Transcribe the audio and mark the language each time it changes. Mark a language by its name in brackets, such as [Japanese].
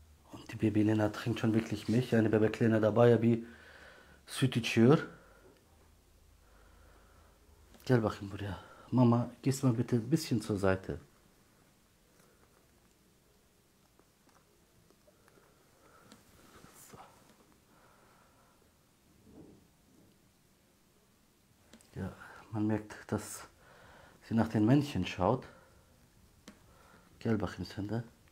[German] Und die Baby Lena trinkt schon wirklich Milch. Eine Baby Lena dabei, ja, wie [Turkish] süt içiyor. Gel bakayım buraya. [German] Mama, gehst mal bitte ein bisschen zur Seite. So. Ja, man merkt, dass sie nach den Männchen schaut. [Turkish] Gel bakayım sen de.